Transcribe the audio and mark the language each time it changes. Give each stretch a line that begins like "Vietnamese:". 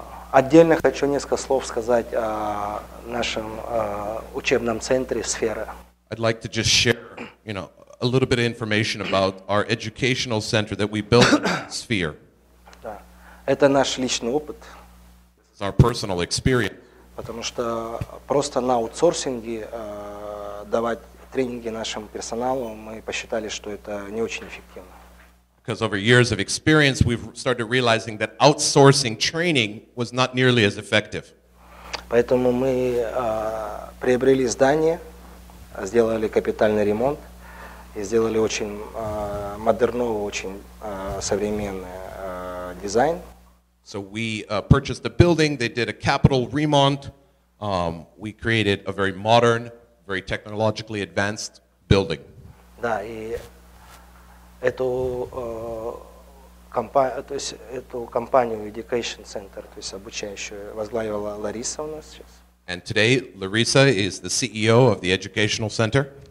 Russian: Отдельно хочу несколько слов сказать о нашем учебном центре «Сфера».
English: I'd like to just share, you know, a little bit of information about our educational center that we built, Sphere.
Russian: Да. Это наш личный опыт.
English: This is our personal experience.
Russian: Потому что просто на аутсорсинге давать тренинги нашему персоналу, мы посчитали, что это не очень эффективно. Because over years of experience, we've started realizing that outsourcing training was not nearly as effective. Поэтому мы приобрели здание, сделали капитальный ремонт и сделали очень модерновый, очень современный дизайн.
English: So we purchased the building, they did a capital remont. We created a very modern, very technologically advanced building.
Russian: Да, и эту компанию, то есть эту компанию Education Center, то есть обучающую, возглавила Лариса у нас сейчас.
English: And today Larissa is the CEO of the Educational Center.